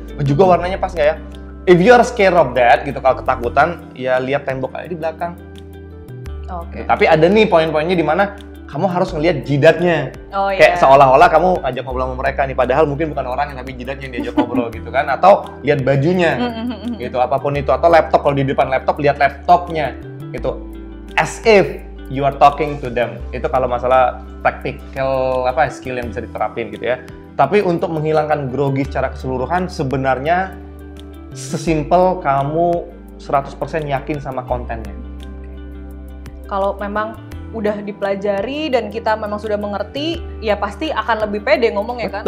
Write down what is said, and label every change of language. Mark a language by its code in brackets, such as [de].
[id] Juga warnanya pas nggak ya? [en] If you are scared of that, [id] gitu, kalau ketakutan, ya lihat tembok aja di belakang. Oke. Okay. Tapi ada nih poin-poinnya di mana kamu harus ngelihat jidatnya. Oh iya. Kayak seolah-olah kamu ajak ngobrol sama mereka nih, padahal mungkin bukan orang yang tapi jidatnya yang diajak ngobrol gitu kan. Atau lihat bajunya, gitu, apapun itu. Atau laptop, kalau di depan laptop, lihat laptopnya, gitu. [en] As if you are talking to them. [id] Itu kalau masalah practical, apa, skill yang bisa diterapin gitu ya. Tapi untuk menghilangkan grogi secara keseluruhan, sebenarnya sesimpel kamu 100% yakin sama kontennya. Kalau memang udah dipelajari dan kita memang sudah mengerti, ya pasti akan lebih pede ngomong ya kan?